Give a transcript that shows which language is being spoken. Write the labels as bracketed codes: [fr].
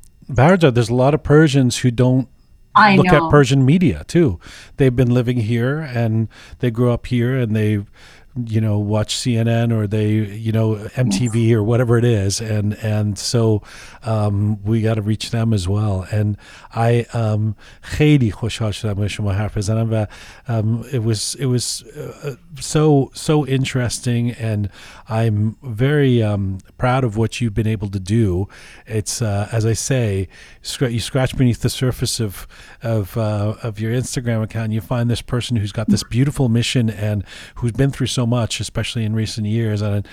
[en] Bharata, there's a lot of Persians who don't look at Persian media too. They've been living here and they grew up here and they... you know, watch CNN or they, you know, MTV or whatever it is. And so we got to reach them as well. And I [fa] خیلی خوشحال شدم شما حرف بزنم. [en] It was so interesting. And I'm very proud of what you've been able to do. It's, as I say, you scratch beneath the surface of your Instagram account, and you find this person who's got this beautiful mission and who's been through so much, especially in recent years.